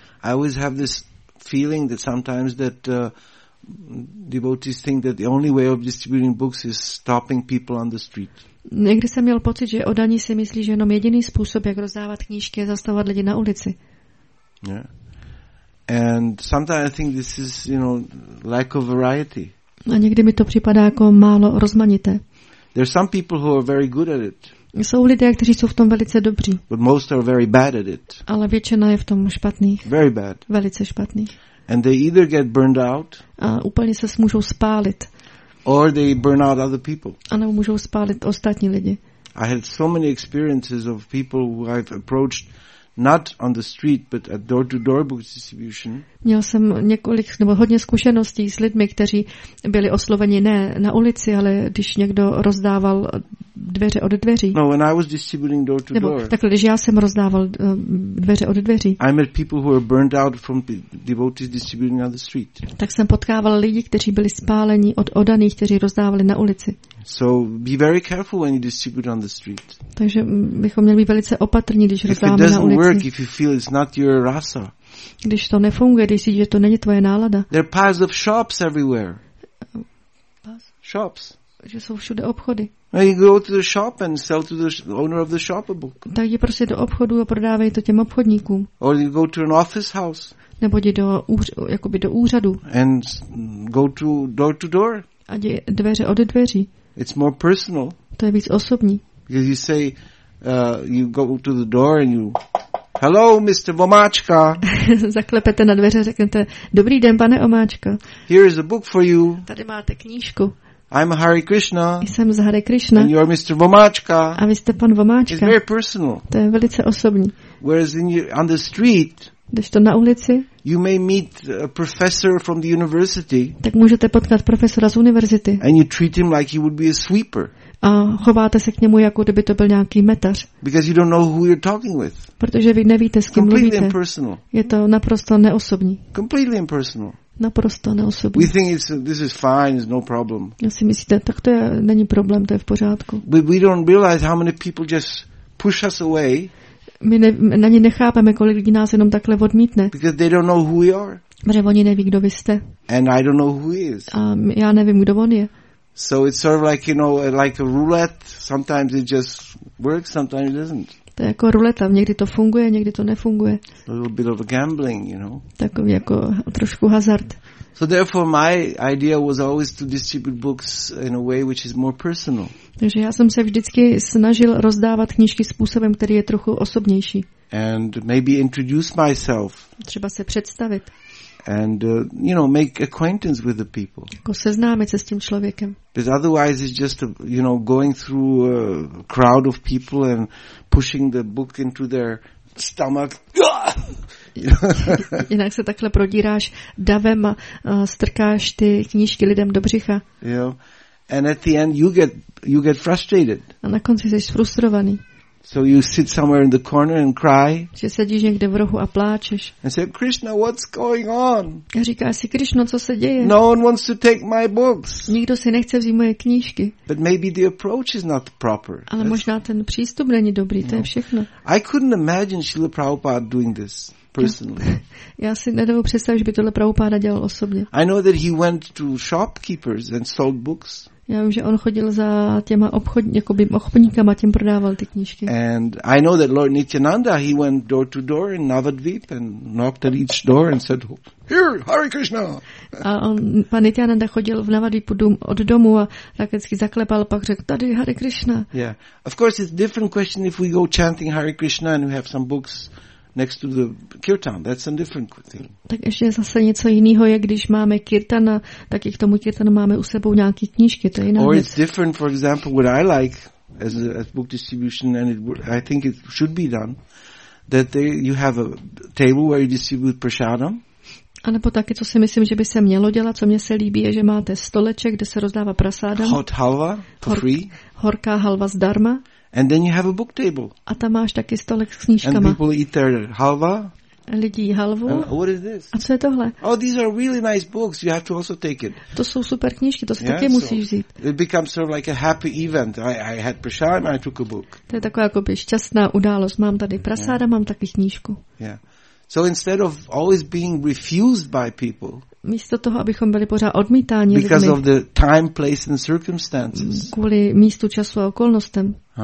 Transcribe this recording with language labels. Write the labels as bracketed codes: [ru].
[en] I always have this feeling that sometimes that devotees think that the only way of distributing books is stopping people on the street. [cs] Někdy jsem měl pocit, že odaní si myslí, že jenom jediný způsob, jak rozdávat knížky, je zastavovat lidi na ulici. [en] Yeah. And sometimes I think this is, you know, lack of variety. [cs] A někdy mi to připadá jako málo rozmanité. [en] There are some people who are very good at it. [cs] Jsou lidé, kteří jsou v tom velice dobří. [en] But most are very bad at it. [cs] Ale většina je v tom špatných. [en] Very bad. [cs] Velice špatných. [en] And they either get burned out. [cs] A úplně se můžou spálit. [en] Or they burn out other people. [cs] A nebo můžou spálit ostatní lidi. [en] I had so many experiences of people who I've approached not on the street but at door to door book distribution. [cs] Měl jsem několik nebo hodně zkušeností s lidmi, kteří byli osloveni ne na ulici, ale když někdo rozdával dveře od dveří. [en] No, when I was distributing door to door. [cs] Tak když já jsem rozdával dveře od dveří. [en] I met people who were burned out from devotees distributing on the street. [cs] Tak jsem potkával lidi, kteří byli spáleni od odaných, kteří rozdávali na ulici. [en] So be very careful when you distribute on the street. [cs] Takže bychom měli být velice opatrní, když rozdáváme na ulici. [en] Work if you feel it's not your rasa. [cs] Když to nefunguje, když si, že to není tvoje nálada. [en] There are piles of shops everywhere. Shops. [cs] Že jsou všude obchody. [en] Now you go to the shop and sell to the owner of the shop a book. [cs] Tak jdi prostě do obchodu a prodávej to těm obchodníkům. [en] Or you go to an office house. [cs] Nebo jdi do jakoby do úřadu. [en] And go to door to door. [cs] A jdi dveře od dveří. [en] It's more personal. [cs] To je víc osobní. [en] Because you say you go to the door and you hello, Mr. Vomáčka. [cs] Zaklepete na dveře, řeknete dobrý den, pane Omáčka. [en] Here is a book for you. [cs] Tady máte knížku. [en] I'm Hare Krishna. [cs] Jsem z Hare Krishna. [en] And you are Mr. Vomáčka. [cs] A vy jste pan Vomáčka. [en] It's very personal. [cs] To je velice osobní. [en] Whereas in your, on the street, [cs] když to na ulici, [en] you may meet a professor from the university. [cs] Tak můžete potkat profesora z univerzity. [en] And you treat him like he would be a sweeper. [cs] A chováte se k němu, jako kdyby to byl nějaký metař. [en] Because you don't know who you're talking with. [cs] Protože vy nevíte, s kým [en] completely [cs] mluvíte. [en] Impersonal. [cs] Je to naprosto neosobní. [en] Completely impersonal. [cs] Naprosto neosobní. [en] We think it's, this is fine, it's no problem. [cs] Já si myslíte, tak to je, není problém, to je v pořádku. [en] But we don't realize how many people just push us away. [cs] My na ně nechápeme, kolik lidí nás jenom takhle odmítne. [en] Because they don't know who we are. [cs] Protože oni neví, kdo vy jste. [en] And I don't know who he is. [cs] A já nevím, kdo on je. [en] So it's sort of like, you know, like a roulette. Sometimes it just works, sometimes it doesn't. [cs] To je jako ruleta. Někdy to funguje, někdy to nefunguje. [en] A little bit of a gambling, you know. [cs] Takový jako trošku hazard. [en] So therefore my idea was always to distribute books in a way which is more personal. [cs] Takže já jsem se vždycky snažil rozdávat knížky způsobem, který je trochu osobnější. [en] And maybe introduce myself. [cs] Třeba se představit. [en] And you know, make acquaintance with the people. [cs] Jako seznámit se s tím člověkem. [en] Because otherwise it's just a, you know, going through a crowd of people and pushing the book into their stomach. [cs] Jinak se takhle prodíráš davem a strkáš ty knížky lidem do břicha. [en] Yeah. And at the end you get frustrated. [cs] A na konci jsi frustrovaný. [en] So you sit somewhere in the corner and cry. [cs] Že sedíš někde v rohu a pláčeš. [en] And say, Krishna, what's going on? [cs] A říkáš si, Krishna, co se děje? [en] No one wants to take my books. [cs] Nikdo si nechce vzít moje knížky. [en] But maybe the approach is not proper. [cs] Ale možná ten přístup není dobrý, to je všechno. [en] I couldn't imagine Srila Prabhupada doing this personally. [cs] Já si nedovedu představit, že by tohle Prabhupada dělal osobně. [en] I know that he went to shopkeepers and sold books. [cs] Já vím, že on chodil za těma obchodníkama, tím prodával ty knížky. [en] And I know that Lord Nityananda, he went door to door in Navadvip and knocked at each door and said, "Here, Hare Krishna." [cs] A on, pan Nityananda, chodil v Navadvipu dům od domu a raketsky zaklepal, pak řekl, "Tady Hare Krishna." [en] Yeah. Of course it's different question if we go chanting Hare Krishna and we have some books next to the kirtan. That's a different thing. [cs] Tak ještě je zase něco jiného, je když máme kirtana, tak i k tomu kirtanu máme u sebou nějaký knížky, to je jiná. [en] Or it's different, for example, what I like as book distribution, and I think it should be done, that you have a table where you distribute prasadam. [cs] A nebo taky, co si myslím, že by se mělo dělat, co mě se líbí, je, že máte stoleček, kde se rozdává prasadam. [en] Hot halva for free. [cs] Horká halva zdarma. [en] And then you have a book table. [cs] A tam máš taky stolek s knížkama. [en] And people eat their halva. [cs] Lidi jí halvu. [en] And what is this? [cs] A co je tohle? [en] Oh, these are really nice books. You have to also take it. [cs] To jsou super knížky, to si taky musíš vzít. [en] It becomes sort of like a happy event. I had prasadam, I took a book. [cs] To je taková jako by šťastná událost. Mám tady prasáda, mám taky knížku. [en] Yeah. So instead of always being refused by people. [cs] Místo toho, abychom byli pořád odmítáni lidmi. [en] Because of the time, place and circumstances. [cs] Kvůli místu, času a okolnostem.